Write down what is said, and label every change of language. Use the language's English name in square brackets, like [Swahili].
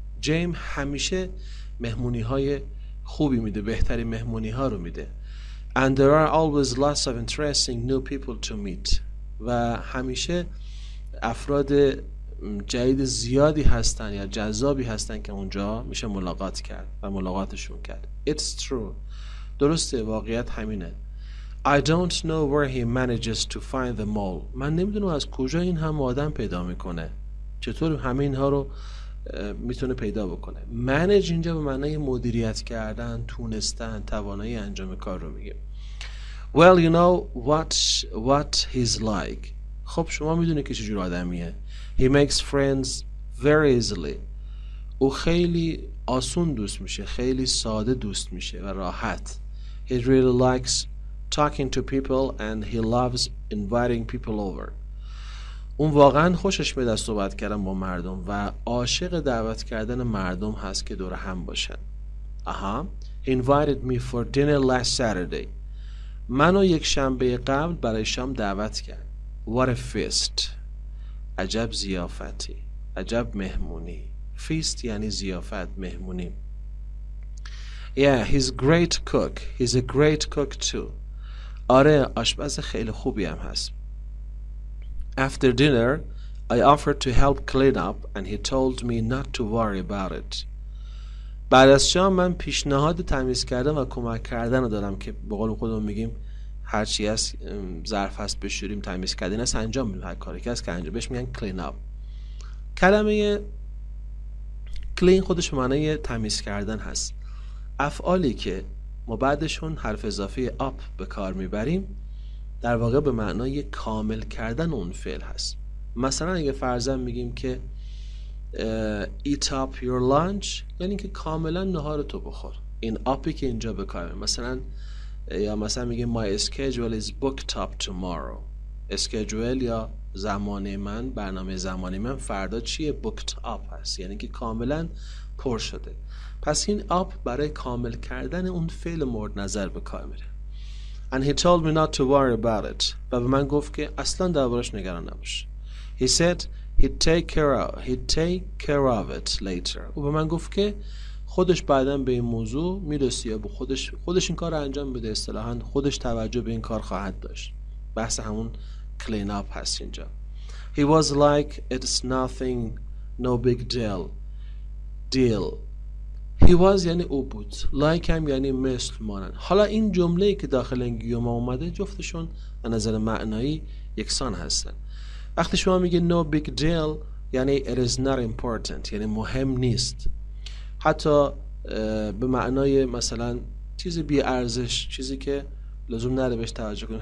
[Persian] جیم همیشه مهمونی های خوبی میده، بهتری مهمونی ها رو میده. [English] And there are always lots of interesting new people to meet. [Persian] و همیشه افراد جدید زیادی هستن یا جذابی هستن که اونجا میشه ملاقات کرد و ملاقاتشون کرد. [English] It's true. [Persian] درسته، واقعیت همینه. [English] I don't know where he manages to find them all. [Persian] من نمیدونم از کجا این هم آدم پیدا میکنه، چطور همه اینها رو میتونه پیدا بکنه. manage اینجا به معنی مدیریت کردن، تونستن، توانایی انجام کار رو میگه. [English] Well, you know what he's like. [Persian] خب شما میدونی که چجور آدمیه. [English] He makes friends very easily. [Persian] او خیلی آسون دوست میشه، خیلی ساده دوست میشه و راحت. [English] He really likes talking to people and he loves inviting people over. [Persian] اون واقعا خوشش میاد از صحبت کردن با مردم و عاشق دعوت کردن مردم هست که دور هم باشن. [English] آها، he invited me for dinner last Saturday. [Persian] منو یک شنبه قبل برای شام دعوت کرد. [English] What a feast. [Persian] عجب ضیافتی، عجب مهمونی. Feast یعنی ضیافت، مهمونی. [English] Yeah, he's great cook. He's a great cook too. [Persian] آره، آشپز خیلی خوبی هم هست. [English] After dinner, I offered to help clean up and he told me not to worry about it. [Persian] بعد از شام من پیشنهاد تمیز کردن و کمک کردن رو دارم که به قول خودمون میگیم هر چی از ظرف هست بشوریم، تمیز کردن هست، انجام میدیم. هر کاری که هست که انجام بهش میگن clean up. کلمه clean خودش معنی تمیز کردن هست. افعالی که ما بعدشون حرف اضافه up به کار میبریم در واقع به معنای کامل کردن اون فعل هست. مثلا اگه فرضاً میگیم که [English] eat up your lunch، [Persian] یعنی که کاملا نهار تو بخور. این upی که اینجا به کار میبریم، مثلا یا مثلا میگیم [English] my schedule is booked up tomorrow. [Persian] schedule یا زمان من، برنامه زمانی من فردا چیه؟ booked up هست، یعنی که کاملا پر شده. پس این up برای کامل کردن اون فعل مورد نظر به کار میره. [English] And he told me not to worry about it. [Persian] و به من گفت که اصلا دربارش نگران نباش. [English] He said he'd take care of it later. [Persian] و به من گفت که خودش بعداً به این موضوع میرسه یا به خودش این کار رو انجام بده، اصطلاحاً خودش توجه به این کار خواهد داشت. بحث همون clean up هست اینجا. [English] He was like it's nothing, no big deal. [Persian] Deal. He was یعنی او بود. Like هم یعنی مثل، مانند. حالا این جمله‌ای که داخل این گیوم اومده جفتشون از نظر معنایی یکسان هستن. وقتی شما میگه [English] no big deal [Persian] یعنی [English] it is not important، [Persian] یعنی مهم نیست. حتی به معنای مثلا چیز بی ارزش، چیزی که لزوم نداره بهش توجه کنیم.